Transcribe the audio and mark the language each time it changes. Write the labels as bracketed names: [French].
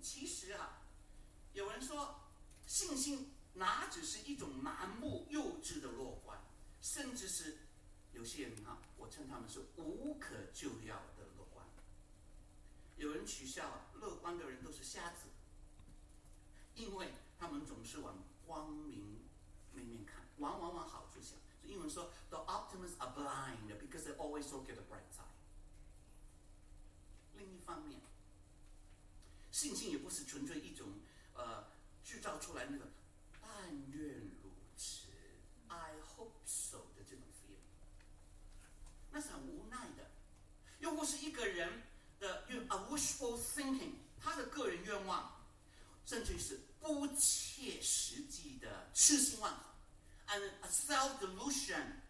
[Chinese] 其实啊，有人说信心哪只是一种盲目幼稚的乐观，甚至是有些人啊，我称他们是无可救药的乐观。有人取笑乐观的人都是瞎子，因为他们总是往光明那面看，往好处想。所以英文说 [English] The optimists are blind because they always look at the bright side。 [Chinese] 另一方面，信心也不是纯粹一种制造出来那个但愿如此 [English] I hope so [Chinese] 的这种 feel， 那是很无奈的。又不是一个人的 [English] a wishful thinking， [Chinese] 他的个人愿望，甚至是不切实际的痴心妄想 [English] and a self delusion。